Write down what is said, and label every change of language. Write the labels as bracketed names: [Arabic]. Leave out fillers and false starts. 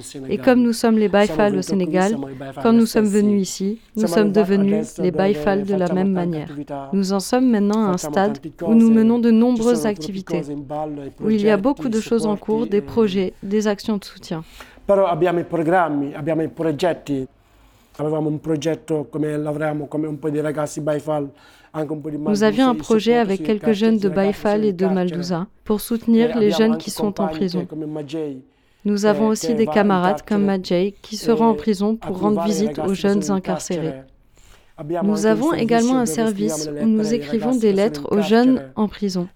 [French] Et comme nous sommes les baïfals au Sénégal, quand nous sommes venus ici, nous sommes devenus les baïfals de la même manière. Nous en sommes maintenant à un stade où nous menons de nombreuses activités, où il y a beaucoup de choses en cours, des projets, des actions de soutien. [Italian] Però abbiamo i programmi, abbiamo i progetti. Avevamo un progetto come lavoriamo come un po' di ragazzi baïfal. [French] Nous avions un projet avec quelques jeunes de Baïfal et de Maldouza pour soutenir les jeunes qui sont en prison. Nous avons aussi des camarades comme Majay qui seront en prison pour rendre visite aux jeunes incarcérés. Nous avons également un service où nous écrivons des lettres aux jeunes en prison.